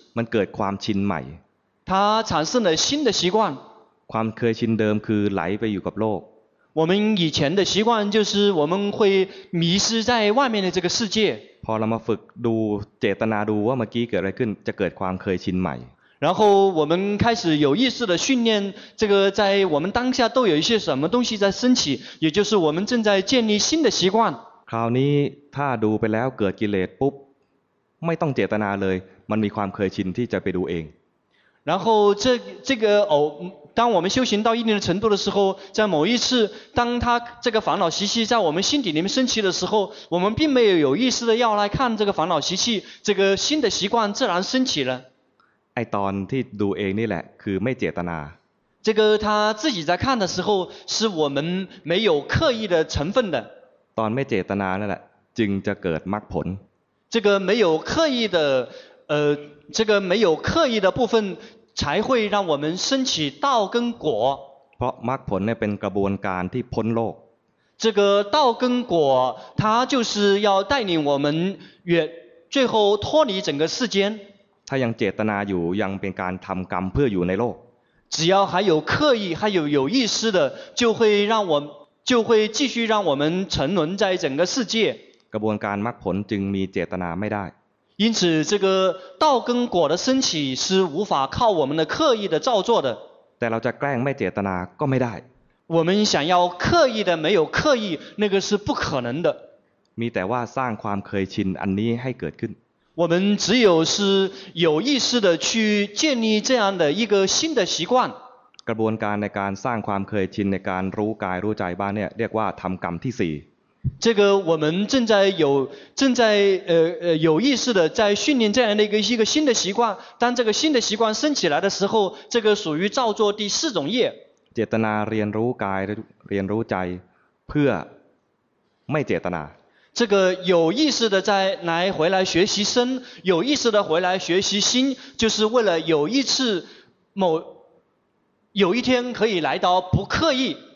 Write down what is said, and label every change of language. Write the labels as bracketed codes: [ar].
[th] มันเกิดความชินใหม่ [zh] 它产生了新的习惯 [th] ความเคยชินเดิมคือไหลไปอยู่กับโลก [zh] 我们以前的习惯就是我们会迷失在外面的这个世界 [th] พอเรามาฝึกดูเจตนาดูว่าเมื่อกี้เกิดอะไรขึ้นจะเกิดความเคยชินใหม่ [zh] 然后我们开始有意识的训练这个在我们当下都有一些什么东西在升起也就是我们正在建立新的习惯 [th] คราวนี้ถ้าดูไปแล้วเกิดกิเลสปุ๊บไม่ต้องเจตนาเลยมันมีความเคยชินที่จะไปดูเอง [zh] 然后这个当我们修行到一定的程度的时候在某一次当他这个烦恼习气在我们心底里面升起的时候我们并没有有意识的要来看这个烦恼习气这个新的习惯自然升起了 [th] ไอ้ตอนที่ดูเองนี่แหละคือไม่เจตนา [zh] 这个他自己在看的时候是我们没有刻意的成分的 [th] ตอนไม่เจตนานั่นแหละจึงจะเกิดมรรคผล [zh] 这个没有刻意的这个没有刻意的部分才会让我们升起道跟果 [th] เพราะมรรคผลเนี่ยเป็นกระบวนการที่พ้นโลก [zh] 这个道跟果它就是要带领我们最后脱离整个世间 [th] ถ้ายังเจตนาอยู่ยังเป็นการทํากรรมเพื่ออยู่ในโลก [zh] 只要还有刻意还有有意识的就会继续让我们沉沦在整个世界 [th] กระบวนการมรรคผลจึงมีเจตนาไม่ได้ [zh] 因此这个道跟果的升起是无法靠我们的刻意的造作的 [th] แต่เราจะแกล้งไม่เจตนาก็ไม่ได้ [zh] 我们想要刻意的没有刻意那个是不可能的 [th] มีแต่ว่าสร้างความเคยชินอันนี้ให้เกิดขึ้น [zh] 我们只有是有意识的去建立这样的一个新的习惯 [th] กระบวนการในการสร้างความเคยชินในการรู้กายรู้ใจบ้างเนี่ยเรียกว่าทํากรรมที่4 [zh] 这个我们正在有意识的在训练这样的一个新的习惯当这个新的习惯升起来的时候这个属于造作第四种业 [th] เจตนาเรียนรู้กายเรียนรู้ใจเพื่อไม่เจตนา [zh] 这个有意识的再来回来学习身有意识的回来学习心就是为了有一次有一天可以来到不刻意